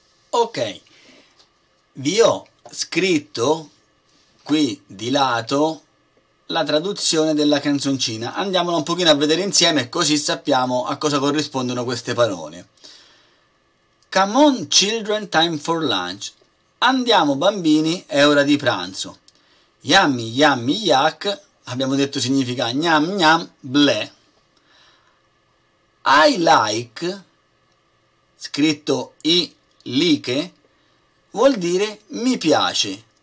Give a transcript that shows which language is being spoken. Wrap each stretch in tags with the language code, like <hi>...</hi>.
<it>Ok, vi ho scritto qui di lato la traduzione della canzoncina. Andiamola un pochino a vedere insieme così sappiamo a cosa corrispondono queste parole.</it> <en>Come on children, time for lunch.</en> <it>Andiamo bambini, è ora di pranzo.</it> <en>Yummy, yummy, yuck,</en> <it>abbiamo detto significa gnam gnam, bleh.</it> <en>I like,</en> <it>scritto i like, vuol dire mi piace.</it>